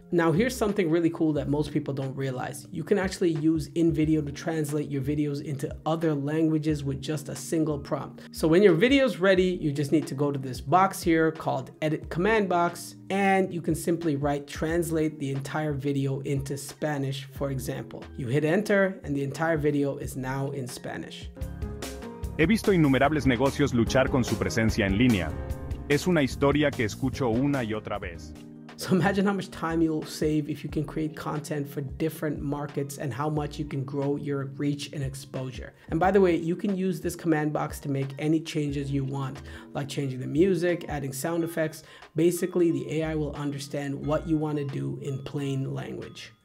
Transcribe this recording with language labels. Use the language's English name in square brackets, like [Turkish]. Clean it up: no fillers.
[English] Now, here's something really cool that most people don't realize. You can actually use InVideo to translate your videos into other languages with just a single prompt. So when your video's ready, you just need to go to this box here called Edit Command Box, and you can simply write translate the entire video into Spanish, for example. You hit enter, and the entire video is now in Spanish. [Spanish] He visto innumerables negocios luchar con su presencia en línea. Es una historia que escucho una y otra vez. [English] So imagine how much time you'll save if you can create content for different markets and how much you can grow your reach and exposure. And by the way, you can use this command box to make any changes you want, like changing the music, adding sound effects. Basically, the AI will understand what you want to do in plain language.